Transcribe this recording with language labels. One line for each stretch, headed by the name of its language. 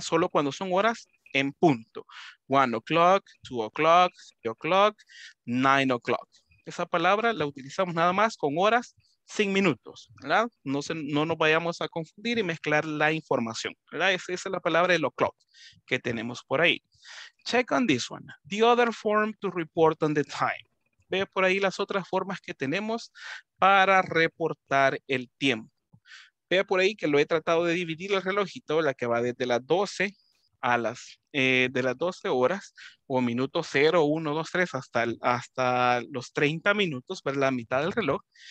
Spanish: Solo cuando son horas en punto.
English: 1 o'clock, 2 o'clock, 3 o'clock, 9 o'clock.
Spanish: Esa palabra la utilizamos nada más con horas sin minutos, ¿verdad? No nos vayamos a confundir y mezclar la información, ¿verdad? Esa es la palabra el o'clock que tenemos por ahí.
English: Check on this one. The other form to report on the time.
Spanish: Ve por ahí las otras formas que tenemos para reportar el tiempo. Ve por ahí que lo he tratado de dividir el relojito, la que va desde las 12 a las de las 12 horas o minuto 0, 1, 2, 3 hasta los 30 minutos, ¿verdad? La mitad del reloj.